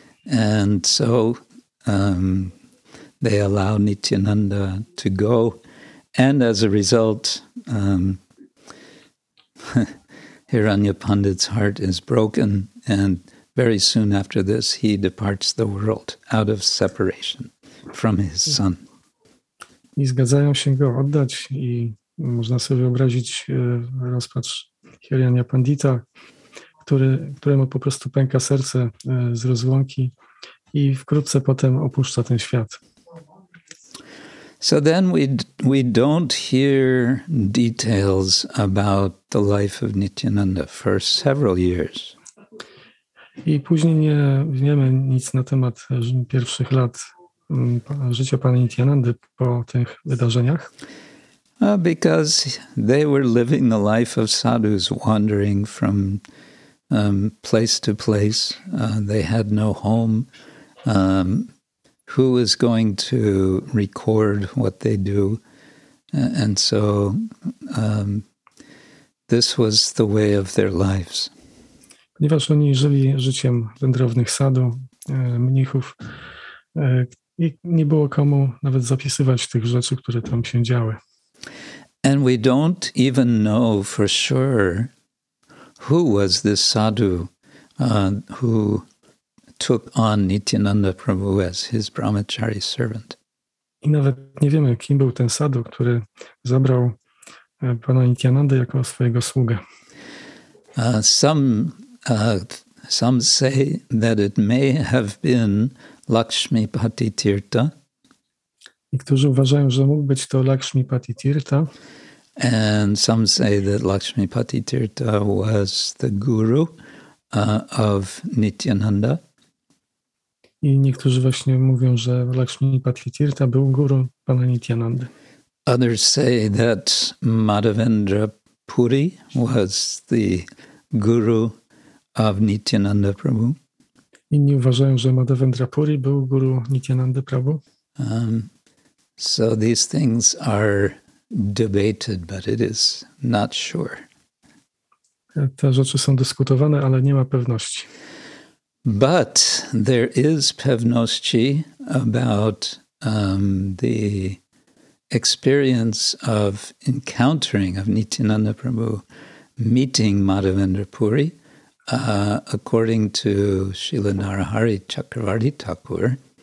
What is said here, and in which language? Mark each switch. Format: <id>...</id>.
<en>And so they allow Nityananda to go, and as a result, Hiranyapandit's heart is broken, and very soon after this, he departs the world out of separation from his son.</en> <pl>I zgadzają się go oddać, i można sobie wyobrazić rozpacz Hiranyapandita, któremu po prostu pęka serce z rozłąki i wkrótce potem opuszcza ten świat.</pl> <en>So then we don't hear details about the life of Nityananda for several years.</en> <pl>I później nie wiemy nic na temat pierwszych lat życia pana Nityanandy po tych wydarzeniach.</pl> <en>Because they were living the life of sadhus, wandering from place to place. They had no home. Who is going to record what they do? And so this was the way of their lives.</en> <pl>Ponieważ oni żyli życiem wędrownych sadhu, mnichów, i nie było komu nawet zapisywać tych rzeczy, które tam się działy.</pl> <en>And we don't even know for sure who was this sadhu who took on Nityananda Prabhu as his brahmachari servant.</en> <pl>I nawet nie wiemy, kim był ten sadhu, który zabrał pana Nityanandę jako swojego sługę.</pl> <en>Some say that it may have been Lakshmipati Tirtha.</en> <pl>Niektórzy uważają, że mógł być to Lakshmipati Tirtha.</pl> <en>And some say that Lakshmipati Tirtha was the guru of Nityananda.</en> <pl>I niektórzy właśnie mówią, że Lakshmipati Tirtha był guru pana Nityanandy.</pl> <en>Others say that Madhavendra Puri was the guru of Nityananda Prabhu.</en> <pl>Inni uważają, że Madhavendra Puri był guru Nityananda Prabhu.</pl> <en>So these things are debated, but it is not sure.</en> <pl>Te rzeczy są dyskutowane, ale nie ma pewności.</pl> <en>But there is</en> <pl>pewności</pl> <en>about the experience of encountering of Nityananda Prabhu, meeting Madhavendra Puri, according to Srila Narahari Chakravarti Thakur.</en>